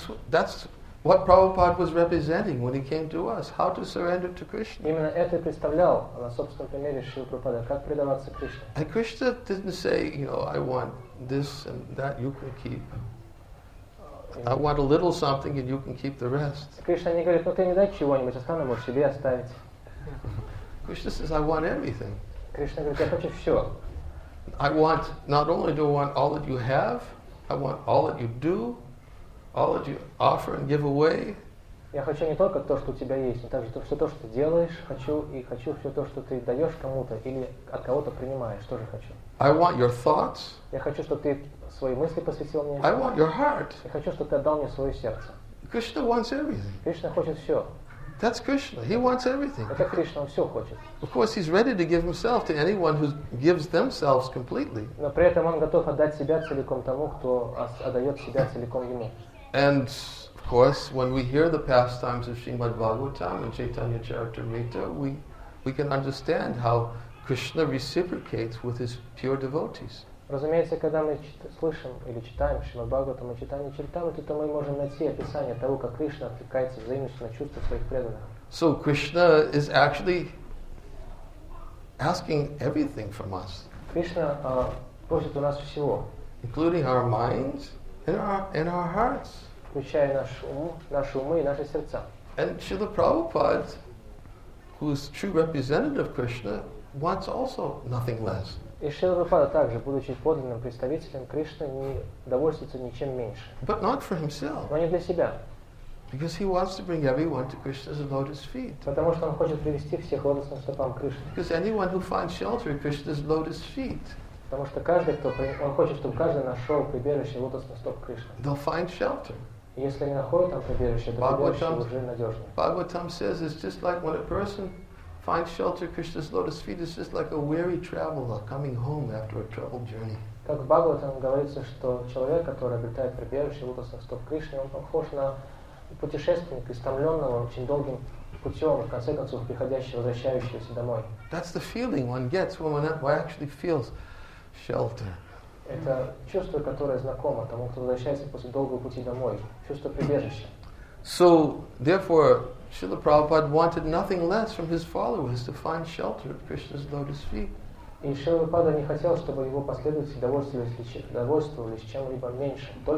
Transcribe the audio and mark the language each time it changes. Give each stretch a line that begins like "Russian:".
English: That's what Prabhupada was representing when he came to us. How to surrender to Krishna.
Russian: Именно это и представлял на собственном примере Шрила Прабхупада, как предаваться Кришне.
English: And Krishna didn't say, you know, I want this and that you can keep. I want a little something and you can keep the rest.
Russian: Кришна не говорит, ну ты мне дай чего-нибудь, остану, можешь себе оставить.
English: Krishna says, I want everything.
Russian: Кришна говорит, я хочу все.
English: I want, not only do I want all that you have, I want all that you do, all that you offer and give away.
Russian: Я хочу не только то, что у тебя есть, но также все то, что ты делаешь, хочу, и хочу все то, что ты даешь кому-то или от кого-то принимаешь, тоже хочу.
English: I want your thoughts.
Russian: Я хочу, чтобы ты свои мысли посвятил мне.
English: I want your heart.
Russian: Я хочу, чтобы ты отдал мне свое сердце.
English: Krishna wants everything.
Russian: Кришна хочет все.
English: That's Krishna. He wants everything.
Russian: Это Кришна, он все хочет.
English: Of course, he's ready to give himself to anyone who gives themselves completely.
Russian: Но при этом он готов отдать себя целиком тому, кто отдает себя целиком ему.
English: And of course, when we hear the pastimes of Srimad Bhagavatam and Chaitanya Charitamrita, we can understand how Krishna reciprocates with his pure devotees.
Russian: Разумеется, когда мы слышим или читаем Шримад Бхагаватам и читаем Чаритамриту, то мы можем найти описание того, как Кришна откликается взаимностью на чувства своих преданных.
English: So Krishna is actually asking everything from us.
Russian: Кришна просит у нас всего.
English: Including our minds and our hearts.
Russian: Включая наши умы и наши сердца.
English: And Srila Prabhupada, who is true representative of Krishna, wants also nothing less.
Russian: И Шрила Прабхупада также, будучи подлинным представителем Кришны, не довольствуется ничем меньше.
English: But not for himself.
Russian: Но не для себя.
English: Because he wants to bring everyone to Krishna's lotus feet.
Russian: Потому что он хочет привести всех лотосным стопам Кришны.
English: Because anyone who finds shelter at Krishna's lotus feet.
Russian: Потому что каждый, кто он хочет, чтобы каждый нашел прибежище лотосным стопам Кришны.
English: They'll find shelter.
Russian: Если они находят там прибежище, то Bhagavatam, прибежище уже надежно.
English: Bhagavatam says it's just like when a person find shelter at Krishna's lotus feet is just like a weary traveler coming home after a troubled journey.
Russian: Как в Бхагаватам говорится, что человек, который обретает прибежище в лотосных стопах Кришны, он похож на путешественника, истомленного очень долгим путем, в конце концов приходящего, возвращающегося домой.
English: That's the feeling one gets when one actually feels shelter.
Russian: Это чувство, которое знакомо тому, кто возвращается после долгого пути домой, чувство прибежища.
English: So, therefore, Srila Prabhupada wanted nothing less from his followers to find shelter at Krishna's lotus feet.
Russian: И Шрила Прабхупада не хотел, чтобы его последователи довольствовались чем-либо меньше.